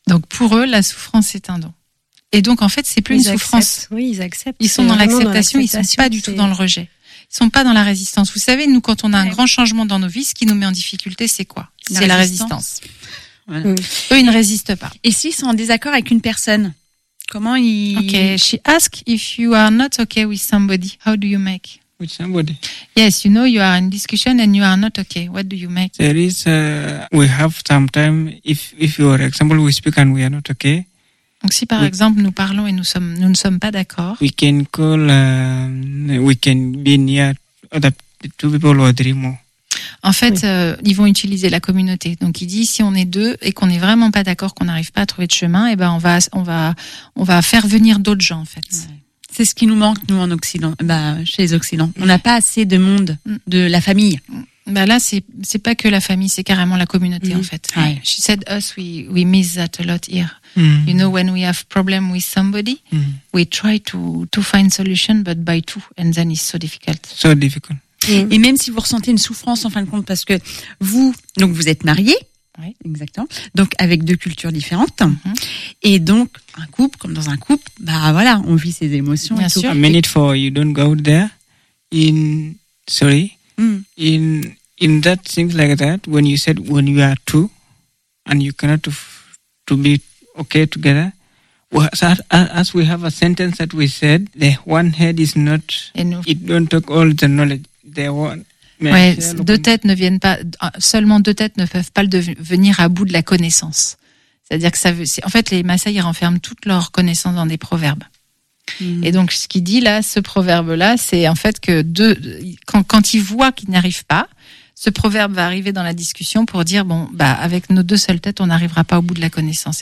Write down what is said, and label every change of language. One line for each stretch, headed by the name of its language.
French: Donc, pour eux, la souffrance est un don. Et donc, en fait, c'est plus une souffrance. Oui, ils acceptent. Ils sont dans l'acceptation, ils ne sont pas du tout dans le rejet. Ils ne sont pas dans la résistance. Vous savez, nous, quand on a un grand changement dans nos vies, ce qui nous met en difficulté, c'est quoi ? C'est la résistance. Voilà. Eux, ils ne résistent pas. Et s'ils sont en désaccord avec une personne ? Comment ils...
English: Ok, she asks if you are not okay with somebody. How do you make ? With somebody. Yes, you know, you are in discussion and you are not okay. What do you make? There is, we have sometimes, if you are example, we speak and we are not okay.
French: Donc si par exemple, nous parlons et nous ne sommes pas d'accord.
English: We can call, we can be near other two people or three more.
French: En fait, ils vont utiliser la communauté. Donc, il dit, si on est deux et qu'on n'est vraiment pas d'accord, qu'on n'arrive pas à trouver de chemin, eh ben, on va faire venir d'autres gens, en fait. Ouais. C'est ce qui nous manque, nous, en Occident, chez les Occidents. On n'a pas assez de monde, de la famille. Bah là, c'est pas que la famille, c'est carrément la communauté, en fait. Ouais.
English: She said, us, we miss that a lot here. Mm. You know, when we have problem with somebody, we try to find solution, but by two, and then it's so difficult. So difficult.
French: Et même si vous ressentez une souffrance en fin de compte, parce que vous êtes mariés, oui, exactement, donc avec deux cultures différentes, et donc un couple, comme dans un couple, bah voilà, on vit ses émotions. Bien et sûr.
English: A minute for you don't go there in sorry in that things like that when you said when you are two and you cannot to be okay together. Well, so as we have a sentence that we said, the one head is not enough. It don't take all the knowledge. They
French: ouais, deux têtes ne viennent pas, seulement deux têtes ne peuvent pas venir à bout de la connaissance. C'est-à-dire que ça veut, c'est, en fait, les Maasai, ils renferment toute leur connaissance dans des proverbes. Mmh. Et donc, ce qu'il dit là, ce proverbe-là, c'est en fait que quand ils voient qu'ils n'y arrivent pas, ce proverbe va arriver dans la discussion pour dire, bon, bah, avec nos deux seules têtes, on n'arrivera pas au bout de la connaissance.